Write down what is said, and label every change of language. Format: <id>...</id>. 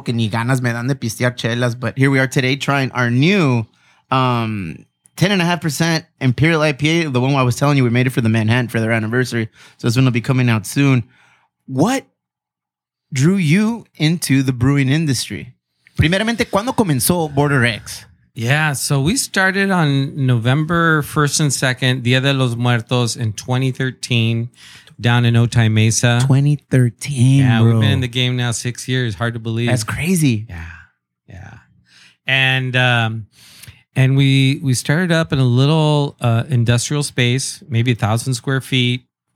<es>Que ni ganas me dan de pistear chelas.</es> <en>But here we are today trying our new 10.5% Imperial IPA, the one I was telling you, we made it for the Manhattan for their anniversary. So this one will be coming out soon. What drew you into the brewing industry?</en> <es>Primeramente, ¿cuándo comenzó Border X?</es> <en>Yeah, so we started on November 1st and 2nd, Día de los Muertos in 2013. Down in Otay Mesa. 2013, yeah, bro. We've been in the game now 6 years. Hard to believe. That's crazy. Yeah. And we started up in a little industrial space, maybe 1,000 square feet.</en>